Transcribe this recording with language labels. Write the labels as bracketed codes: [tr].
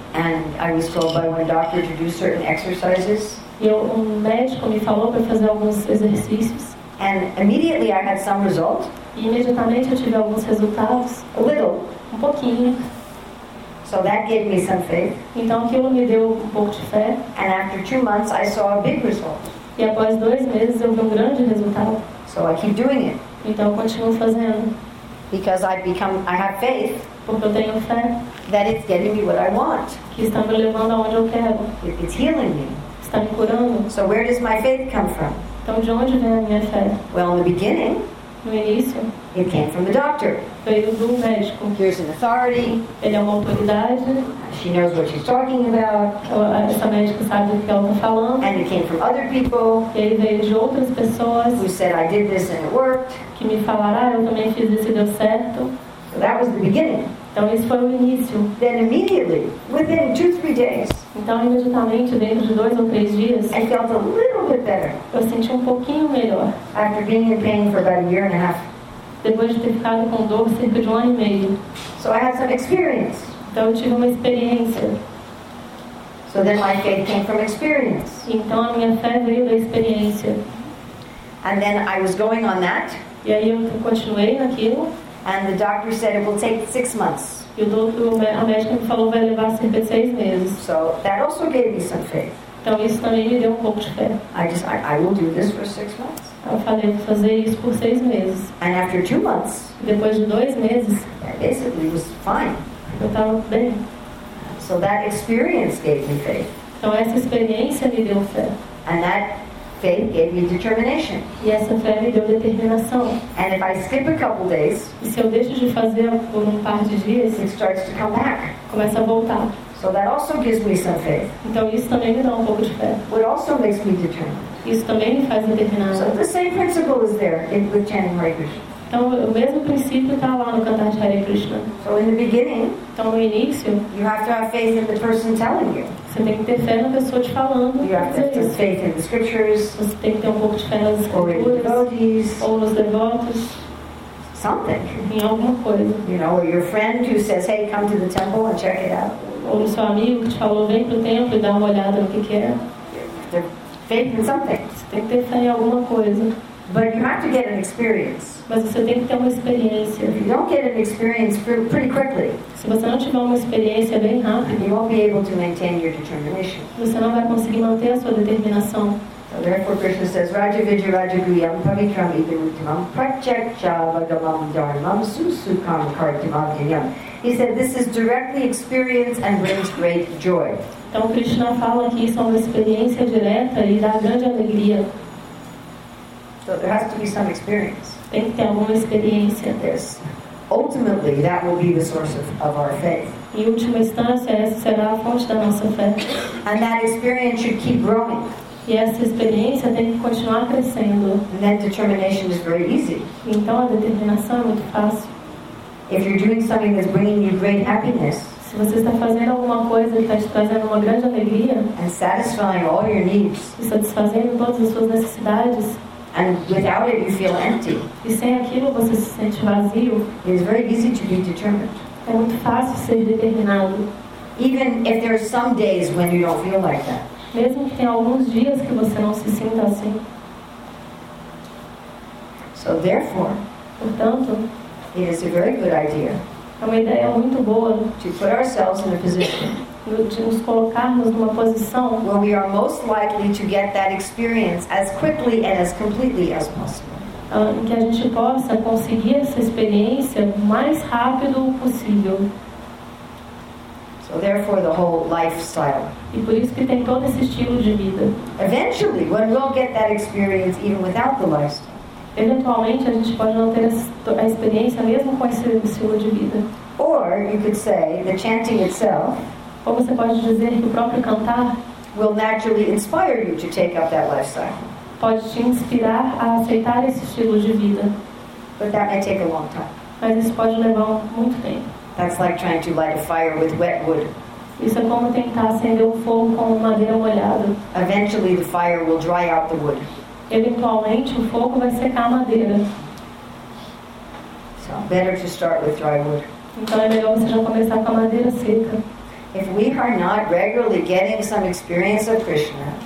[en] And I was told by one doctor to do certain exercises. [pt] E um médico me falou para fazer alguns exercícios. [en] And immediately I had some result. [pt] E imediatamente eu tive alguns resultados. [en] A little. [pt] Um pouquinho. [en] So that gave me some faith. [pt] Então aquilo me deu um pouco de fé. [en] And after 2 months I saw a big result. [pt] E após 2 meses eu vi um grande resultado. [en] So I keep doing it. [pt] Então eu continuo fazendo. [en] Because I have faith. [pt] Porque eu tenho fé. [en] That it's getting me what I want. [pt] Que está me levando aonde eu quero. [en] It's healing me. [pt] Está me curando. [en] So where does my faith come from? [pt] Então de onde vem a minha fé? [en] Well, in the beginning. [pt] No início. [en] It came from the doctor. [pt] Veio do médico. [en] Here's an authority. [pt] Ele é uma autoridade. [en] She knows what she's talking about. [pt] Essa médica sabe do que ela está falando. [en] And it came from other people. [pt] E ele veio de outras pessoas. [en] Who said I did this and it worked. [pt] Que me falaram, ah, eu também fiz isso e deu certo. [en] So that was the beginning. [pt] Então isso foi o início. [en] Then immediately, within 2-3 days. [pt] Então imediatamente, dentro de 2 ou 3 dias. [en] I felt a little bit better. [pt] Eu senti um pouquinho melhor. [en] After being in pain for about a year and a half. [pt] Depois de ter ficado com dor cerca de 1 ano e meio. [en] So I had some experience. [pt] Então eu tive uma experiência. [en] So then my faith came from experience. [pt] Então a minha fé veio da experiência. [en] And then I was going on that. [pt] E aí eu continuei naquilo. [en] And the doctor said it will take 6 months. [pt] E o doutor, a médica me falou vai levar cerca de 6 meses. [en] So that also gave me some faith. [pt] Então isso também me deu um pouco de fé. [en] I will do this for 6 months. [pt] Eu falei, vou fazer isso por 6 meses. [en] And after 2 months, [pt] depois de 2 meses, [en] basically was fine. [pt] Eu estava bem. [en] So that experience gave me faith. [pt] Então essa experiência me deu fé. [en] And that faith gave me determination. [pt] E essa fé me deu determinação. [en] And if I skip a couple days, [pt] e se eu deixo de fazer por um par de dias, [en] it starts to come back. [pt] Começa a voltar. [en] So that also gives me some faith. [pt] Então isso também me dá um pouco de fé. [en] What also makes me determined. [pt] Isso também me faz determinado. [en] So the same principle is there in the chanting Hare Krishna. [pt] Então o mesmo princípio está lá no cantar de Hare Krishna. [en] So in the beginning, [pt] então no início, [en] you have to have faith in the person telling you. [pt] Você tem que ter fé na pessoa te falando. [en] You have to have faith in the scriptures. [pt] Você tem que ter um pouco de fé nas escrituras. Ou nos devotos. [en] Something. [pt] Em alguma coisa. [en] You know, or your friend who says, hey, come to the temple and check it out. [pt] Ou no seu amigo que te falou, vem pro templo e dá uma olhada no que é. [en] Faith in something. [pt] Você tem que ter fé em alguma coisa. [en] But you have to get an experience. [pt] Mas você tem que ter uma experiência. [en] If you don't get an experience pretty quickly, [pt] se você não tiver uma experiência bem rápido, [en] you won't be able to maintain your determination. [pt] Você não vai conseguir manter a sua determinação. [en] So therefore, Krishna says, [sa] "Raja vidya raja guyam pavitram idamutam prachaccha bhagavam dharmam susukam kartimam dhyam." [en] He said, "This is directly experience and brings great joy." [pt] Então Krishna fala que isso é uma experiência direta e dá grande alegria. [en] So there has to be some experience. [pt] Tem que ter alguma experiência. [en] There's, ultimately, that will be the source of our faith. [pt] E última instância, essa será a fonte da nossa fé. [en] And that experience should keep growing. [pt] E essa experiência tem que continuar crescendo. [en] And that determination is very easy. [pt] Então a determinação é muito fácil. [en] If you're doing something that's bringing you great happiness. [pt] Se você está fazendo alguma coisa que está te trazendo uma grande alegria, [en] and satisfying all your needs, [pt] e satisfazendo todas as suas necessidades, [en] and without it you feel empty, [pt] e sem aquilo você se sente vazio, [en] it is very easy to be determined. [pt] É muito fácil ser determinado. [en] Even if there are some days when you don't feel like that. [pt] Mesmo que tenha alguns dias que você não se sinta assim. [en] So therefore, [pt] portanto, [en] it is a very good idea. [pt] É uma ideia muito boa. [en] To put ourselves in a position. [pt] De nos colocarmos numa posição. [en] Where we are most likely to get that experience as quickly and as completely as possible. [pt] Em que a gente possa conseguir essa experiência o mais rápido possível. [en] So therefore the whole lifestyle. [pt] E por isso que tem todo esse estilo de vida. [en] Eventually, when we'll get that experience even without the lifestyle. [pt] Eventualmente a gente pode não ter a experiência mesmo com esse estilo de vida. [en] Or you could say the chanting itself. [pt] Ou você pode dizer que o próprio cantar [en] will naturally inspire you to take up that lifestyle. [pt] Pode te inspirar a aceitar esse estilo de vida. [en] But that may take a long time. [pt] Mas isso pode levar muito tempo. [en] That's like trying to light a fire with wet wood. [pt] Isso é como tentar acender um fogo com madeira molhada. [en] Eventually the fire will dry out the wood. [pt] Eventualmente o fogo vai secar a madeira. [en] So better to start with dry wood. [pt] Então é melhor você já começar com a madeira seca. [en] If we are not regularly getting some experience of Krishna,